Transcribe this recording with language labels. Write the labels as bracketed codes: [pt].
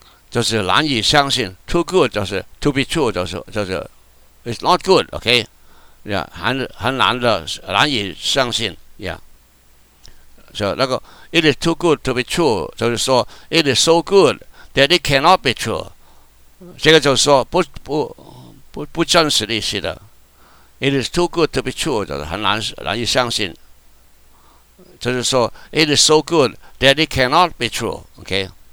[zh] 就是难以相信, [en] too good [zh] 就是, [en] to be true 就是, it's not good, okay? [zh] Yeah, 很难的,难以相信, yeah. [en] So, [zh] 那个, [en] it is too good to be true, [zh] 就是说, [en] it is so good that it cannot be true. [zh] 这个就是说, 不真实的意思的, [en] it is too good to be true, [zh] 就是很难以相信, 就是说, [en] it is so good that it cannot be true, okay?